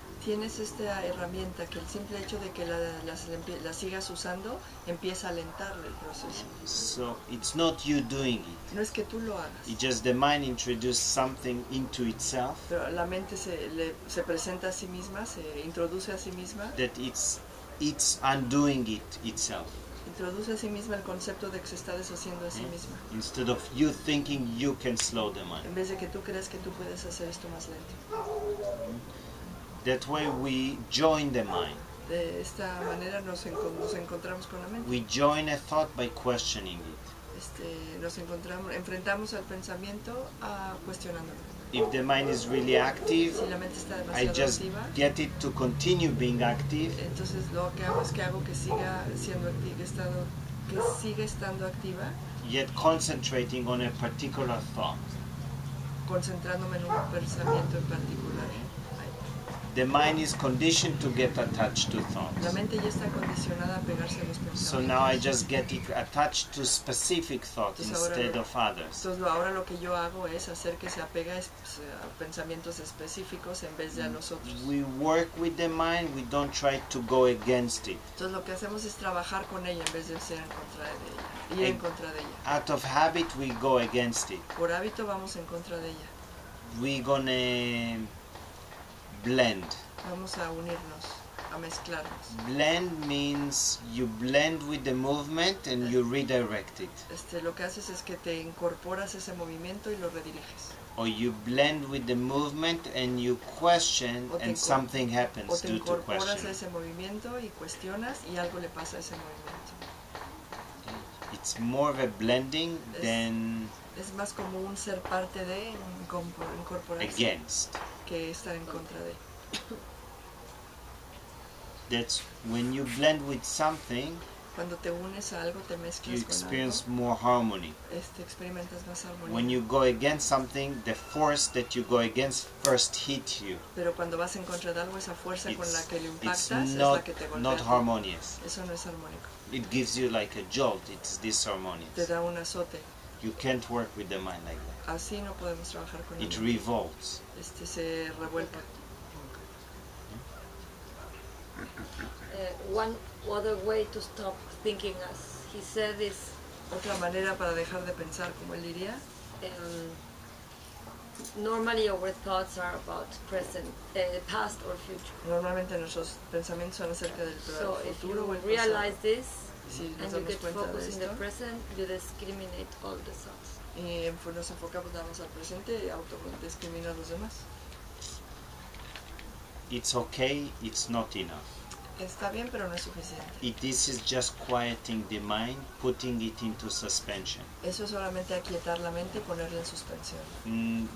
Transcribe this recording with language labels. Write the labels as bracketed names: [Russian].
[Spanish] Tienes esta herramienta que el simple hecho de que la sigas usando empieza a alentar el proceso. [English] So it's not you doing it. [Spanish] No es que tú lo hagas. [English] It's just the mind introduces something into itself. [Spanish] Pero la mente se presenta a sí misma, se introduce a sí misma. [English] That it's undoing it itself. [Spanish] Introduce a sí misma el concepto de que se está deshaciendo a sí misma. [English] Instead of you thinking you can slow the mind. [Spanish] En vez de que tú creas que tú puedes hacer esto más lento. [English] That way we join the mind. [Spanish] De esta manera nos encontramos con la mente. [English] We join a thought by questioning it. [Spanish] Este, nos encontramos, enfrentamos al pensamiento a cuestionándolo. [English] If the mind is really active, [Spanish] si la mente está demasiado [English] I just [Spanish] activa, [English] get it to continue being active. [Spanish] Entonces lo que hago es que hago que siga siendo activa, que siga estando activa. [English] Yet concentrating on a particular thought. [Spanish] Concentrándome en un pensamiento en particular. [English] The mind is conditioned to get attached to thoughts. [Spanish] La mente ya está condicionada a pegarse a los pensamientos. [English] So now I just get it attached to specific thoughts instead of others. [Spanish] Entonces ahora lo que yo hago es hacer que se apegue a pensamientos específicos en vez de a nosotros. [English] We work with the mind, we don't try to go against it. [Spanish] Entonces lo que hacemos es trabajar con ella en vez de ser en contra de ella. Ir en contra de ella. [English] Out of habit we go against it. [Spanish] Por hábito vamos en contra de ella. [English] We're gonna blend. [Spanish] Vamos a unirnos, a mezclarnos. [English] Blend means you blend with the movement and you redirect it. [Spanish] Este, lo que haces es que te incorporas ese movimiento y lo rediriges. [English] Or you blend with the movement and you question and something happens due to question. [Spanish] O te incorporas a ese movimiento y cuestionas y algo le pasa a ese movimiento. [English] It's more of a blending than [Spanish] es más como un ser parte de incorporarse. [English] Against. [Spanish] Que estar en contra de. [English] That's when you blend with something. [Spanish] cuando te unes a algo, te mezclas con algo, [English] you experience more harmony. [Spanish] Experimentas más armonía. [English] When you go against something, the force that you go against first hit you. [Spanish] Pero cuando vas en contra de algo, esa fuerza con la que le impactas es [English] not, [Spanish] la que te golpea. [English] Not harmonious. [Spanish] Eso no es armónico. [English] It gives you like a jolt. It's disharmonious. [Spanish] Te da un azote. [English] You can't work with the mind like that. [Spanish] Así no podemos trabajar con [English] it revolts. [Spanish] Se revuelca. [English] One other way to stop thinking, as he said, is [Spanish] otra manera para dejar de pensar, como él diría. [English] Normally, our thoughts are about present, past or future. [Spanish] Normalmente, nuestros pensamientos son acerca del futuro o el pasado. So, [English] if you realize this, [Spanish] si [English] and you get focused [Spanish] esto, [English] in the present, you discriminate all the thoughts. [Spanish] Y nos enfocamos al presente y autodiscrimina los demás. [English] It's okay. It's not enough. [Spanish] Está bien, pero no es suficiente. [English] This is just quieting the mind, putting it into suspension. [Spanish] Eso es solamente aquietar la mente y ponerla en suspensión.